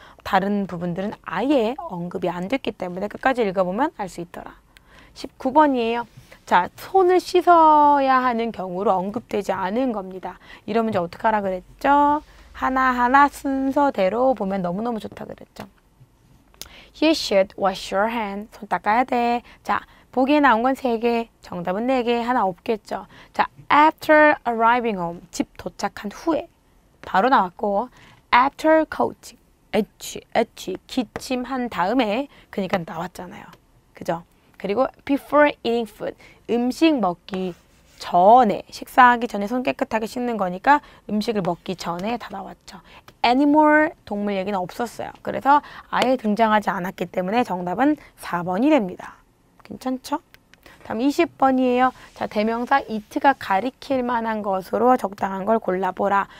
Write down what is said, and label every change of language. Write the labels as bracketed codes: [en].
[ko] 다른 부분들은 아예 언급이 안 됐기 때문에 끝까지 읽어보면 알수 있더라. 19번이에요. 자, 손을 씻어야 하는 경우로 언급되지 않은 겁니다. 이러면 이제 어떡하라 그랬죠? 하나하나 순서대로 보면 너무너무 좋다 그랬죠. [en] You should wash your hand. [ko] 손 닦아야 돼. 자, 보기에 나온 건 3개. 정답은 4개. 하나 없겠죠. 자, after arriving home. 집 도착한 후에. 바로 나왔고. After coaching. 에취, 에취. 기침한 다음에. 그러니까 나왔잖아요. 그죠? [en] 그리고 before eating food. [ko] 음식 먹기 전에, 식사하기 전에 손 깨끗하게 씻는 거니까 음식을 먹기 전에 다 나왔죠. Animal 동물 얘기는 없었어요. 그래서 아예 등장하지 않았기 때문에 정답은 4번이 됩니다. 괜찮죠? 다음 20번이에요. 자, 대명사 it가 가리킬 만한 것으로 적당한 걸 골라보라.